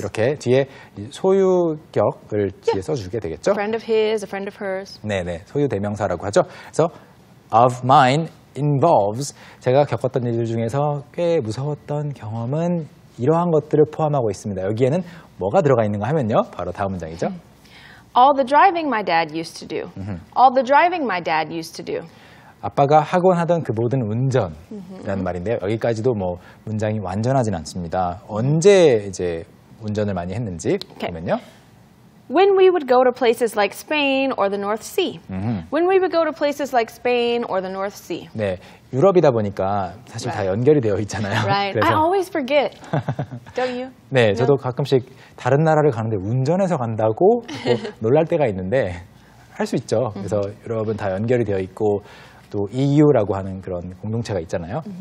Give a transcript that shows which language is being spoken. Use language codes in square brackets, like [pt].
[ko] 이렇게 뒤에 소유격을 뒤에 써주게 되겠죠. [en] A friend of his, a friend of hers. [ko] 네네, 소유 대명사라고 하죠. 그래서 [en] of mine involves [ko] 제가 겪었던 일들 중에서 꽤 무서웠던 경험은 이러한 것들을 포함하고 있습니다. 여기에는 뭐가 들어가 있는가 하면요. 바로 다음 문장이죠. [en] All the driving my dad used to do. All the driving my dad used to do. [ko] 아빠가 하곤 하던 그 모든 운전이라는 말인데요. 여기까지도 뭐 문장이 완전하지는 않습니다. 언제 이제 운전을 많이 했는지 보면요. [en] When we would go to places like Spain or the North Sea. When we would go to places like Spain or the North Sea. [ko] 네, 유럽이다 보니까 사실 right. 다 연결이 되어 있잖아요. [en] Right. 그래서. I always forget. Don't you? [ko] 네, no? 저도 가끔씩 다른 나라를 가는데 운전해서 간다고 놀랄 때가 있는데 할 수 있죠. 그래서 유럽은 다 연결이 되어 있고 또 EU라고 하는 그런 공동체가 있잖아요.